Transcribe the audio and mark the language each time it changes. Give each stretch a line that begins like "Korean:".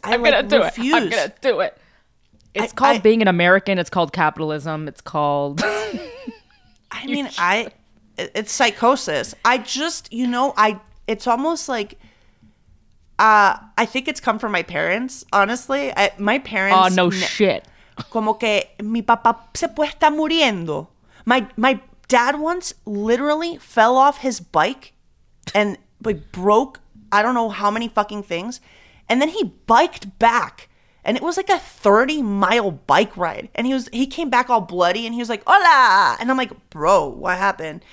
English: I'm going to do it. It's called being an American. It's called capitalism. It's called... It's psychosis. I just, you know, it's almost like, I think it's come from my parents, honestly. My parents. Oh, no shit.
Spanish: Como que mi papá se puede estar muriendo.
English: My dad once literally fell off his bike and like broke, I don't know how many fucking things. And then he biked back. And it was like a 30-mile bike ride. And he came back all bloody and he was like, hola. And I'm like, bro, what happened?